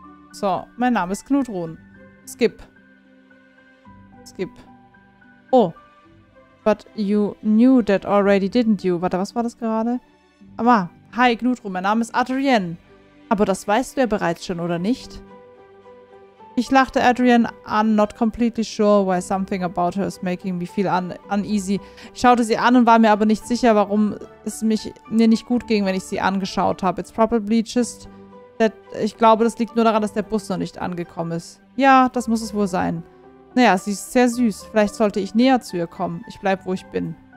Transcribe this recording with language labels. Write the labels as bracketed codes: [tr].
[de] So, mein Name ist Knudrun. Skip. Skip. Oh. [en] But you knew that already, didn't you? [de] Warte, was war das gerade? Aber, hi Knudrun, mein Name ist Adrienne. Aber das weißt du ja bereits schon, oder nicht? Ich lachte Adrienne an, [en] not completely sure why something about her is making me feel uneasy. [de] Ich schaute sie an und war mir aber nicht sicher, warum es mir nicht gut ging, wenn ich sie angeschaut habe. [en] It's probably just that, [de] ich glaube, das liegt nur daran, dass der Bus noch nicht angekommen ist. Ja, das muss es wohl sein. Naja, sie ist sehr süß. Vielleicht sollte ich näher zu ihr kommen. Ich bleib, wo ich bin.